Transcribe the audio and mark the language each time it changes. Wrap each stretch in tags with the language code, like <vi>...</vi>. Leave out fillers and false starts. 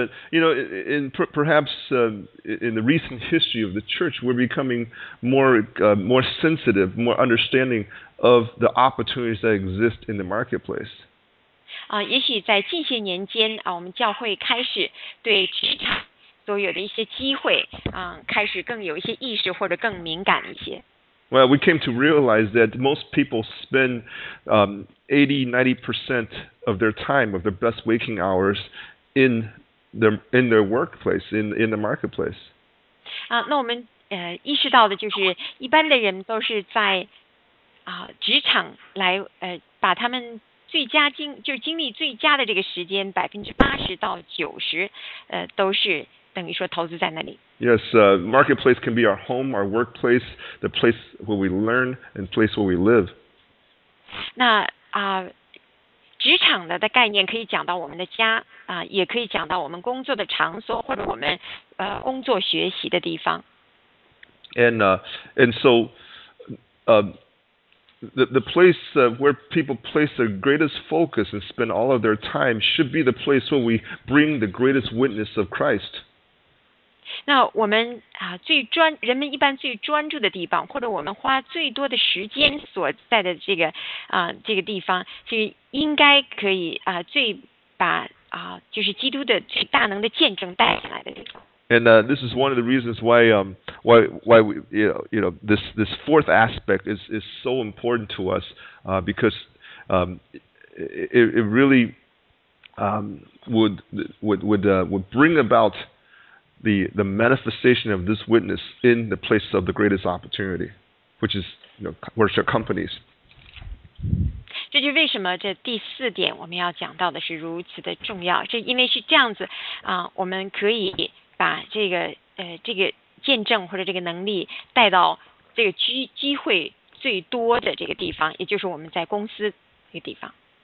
<en>In the recent history of the church, we're becoming more sensitive, more understanding of the opportunities that exist in the marketplace.</en> <zh>也许在近些年间我们教会开始对职场所有的一些机会开始更有一些意识或者更敏感一些。</zh> <en>Well, we came to realize that most people spend 80-90% of their time, of their best waking hours, in their workplace, in the marketplace.</en> <zh>那我们意识到的就是一般的人都是在职场来把他们最佳就是精力最佳的这个时间80%-90%都是等于说投资在那里。</zh> <en>Yes, marketplace can be our home, our workplace, the place where we learn and place where we live.</en> <zh>那职场的概念可以讲到我们的家也可以讲到我们工作的场所或者我们工作学习的地方。</zh> <en>The place where people place their greatest focus and spend all of their time should be the place where we bring the greatest witness of Christ.</en> <zh>那我们人们一般最专注的地方，或者我们花最多的时间所在的这个地方，是应该可以最把就是基督的最大能的见证带进来的地方。</zh> <en>And this is one of the reasons why we, this fourth aspect is so important to us because it really would bring about the manifestation of this witness in the place of the greatest opportunity, which is worship companies.</en> <zh>这就是为什么这第四点我们要讲到的是如此的重要，是因为是这样子我们可以把这个见证或者这个能力带到这个机会最多的这个地方，也就是我们在公司这个地方。</zh>